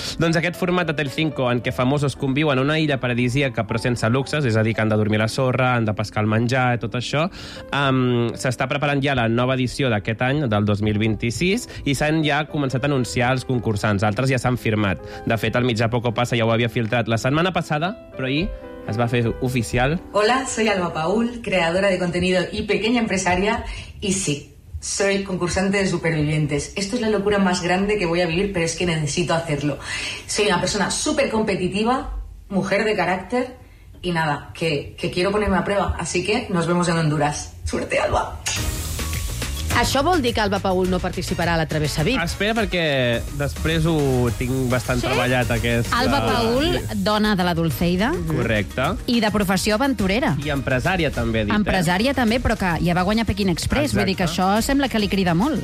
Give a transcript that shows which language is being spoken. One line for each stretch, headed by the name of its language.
Catalan: Doncs aquest format de Telecinco en què famosos conviuen una illa paradisíaca però sense luxes, és a dir, que han de dormir a la sorra, han de pescar el menjar i tot això, s'està preparant ja la nova edició d'aquest any, del 2026, i s'han ja començat a anunciar els concursants. Altres ja s'han firmat. De fet, el mitjà Poco Passa ja ho havia filtrat la setmana passada, però ahir es va fer oficial.
Spanish: Hola, soy Alba Paul, creadora de contenido y pequeña empresaria, y sí, soy concursante de Supervivientes. Esto es la locura más grande que voy a vivir, pero es que necesito hacerlo. Soy una persona súper competitiva, mujer de carácter, y nada, que quiero ponerme a prueba. Así que nos vemos en Honduras. Suerte, Alba.
Catalan: Això vol dir que Alba Paul no participarà a la Travessa VIP? Espera, perquè després ho tinc bastant treballat, aquest... Alba Paul, dona de la Dulceida. Correcte. I de professió aventurera. I empresària, també, ha dit. Empresària, també, però que ja va guanyar Pekín Express. Exacte. Vull dir que això sembla que li crida molt.